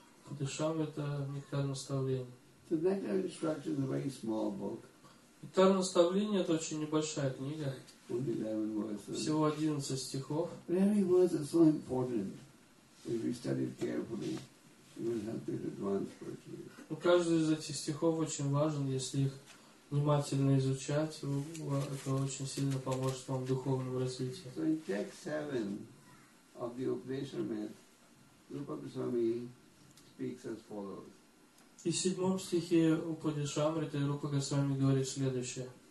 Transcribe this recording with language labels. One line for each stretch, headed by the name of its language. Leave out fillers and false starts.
Russian: Падишав – это нектар наставления.
English: The nectar instruction is a very small book.
Russian: Нектар наставления – это очень небольшая книга.
English: Only 11 words.
Russian: Всего 11 стихов.
English: But every word is so important. If you study it carefully, you will help you advance virtually.
Russian: Каждый из этих стихов очень важен, если их внимательно изучать, это очень сильно поможет вам в духовном развитии.
English: So in text 7 of the Upanishad, Rupa Goswami speaks as follows.
Russian: И в седьмом стихе Упанишамриты Рупа Госвами говорит следующее.